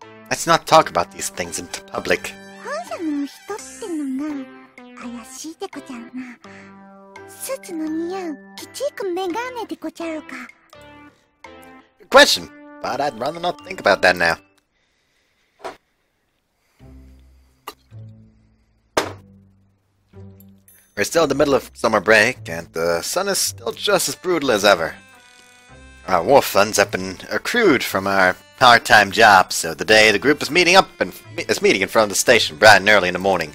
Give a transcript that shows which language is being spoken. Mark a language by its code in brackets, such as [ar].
[en] let's not talk about these things in public. [ja] 本社の人ってのが怪しいでこちゃうな。スーツの似合うきちいくメガネでこちゃうか。 [en] Question, but I'd rather not think about that now. We're still in the middle of summer break, and the sun is still just as brutal as ever. Our war funds have been accrued from our part-time jobs, so the day the group is meeting up and is meeting in front of the station bright and early in the morning.